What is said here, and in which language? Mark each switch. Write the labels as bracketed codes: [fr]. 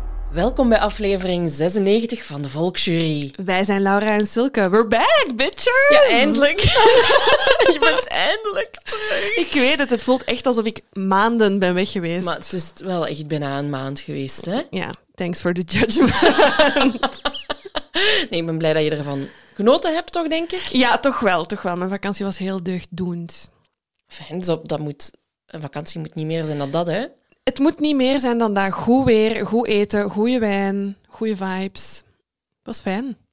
[nl] Welkom bij aflevering 96 van de Volksjury. Wij zijn Laura en Silke. [en] We're back, bitches! [nl] Ja, eindelijk. Je bent eindelijk terug. Ik weet het. Het voelt echt alsof ik maanden ben weg geweest. Maar het is wel echt bijna een maand geweest, hè? [en] Ja, thanks for the judgment. [nl] Nee, ik ben blij dat je ervan genoten hebt, toch, denk ik? Ja, toch wel, toch wel. Mijn vakantie was heel deugddoend. Fijn, dat moet, een vakantie moet niet meer zijn dan dat, hè? Het moet niet meer zijn dan dat. Goed weer, goed eten, goede wijn, goede vibes. Het was fijn.